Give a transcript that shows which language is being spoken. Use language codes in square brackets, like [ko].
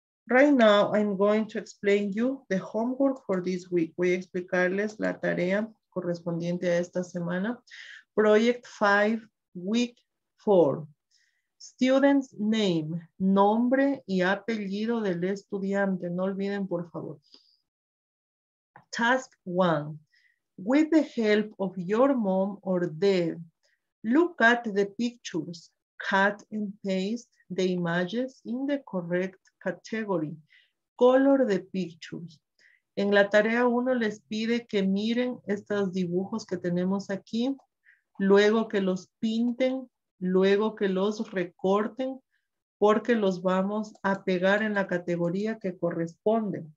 [en] Right now, I'm going to explain you the homework for this week. [es] Voy a explicarles la tarea correspondiente a esta semana. [en] Project 5, week 4. Student's name, [es] nombre y apellido del estudiante. No olviden, por favor. Task 1. [en] With the help of your mom or dad, look at the pictures. Cut and paste the images in the correct category. Color the pictures. [es] En la tarea 1 les pide que miren estos dibujos que tenemos aquí. Luego que los pinten. Luego que los recorten. Porque los vamos a pegar en la categoría que corresponde.